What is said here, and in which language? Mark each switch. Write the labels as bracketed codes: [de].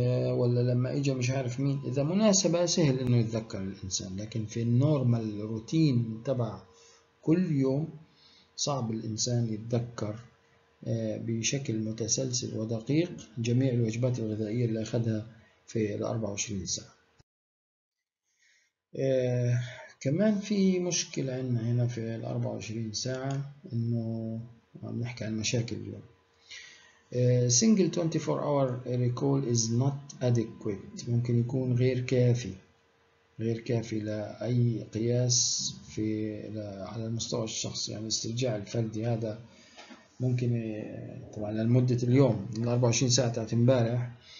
[ar] ولا لما اجى مش عارف مين، اذا مناسبة سهل انه يتذكر الانسان، لكن في النورمال روتين تبع كل يوم صعب الانسان يتذكر بشكل متسلسل ودقيق جميع الوجبات الغذائية اللي اخذها في ال 24 ساعة. كمان في مشكلة عندنا هنا في ال 24 ساعة، انه عم نحكي عن مشاكل اليوم. [en] Single 24 hour recall is not adequate. [ar] ممكن يكون غير كافي، غير كافي لأي قياس في على المستوى الشخصي، يعني استرجاع الفردي هذا ممكن طبعا لمدة اليوم ال 24 ساعة تاعت امبارح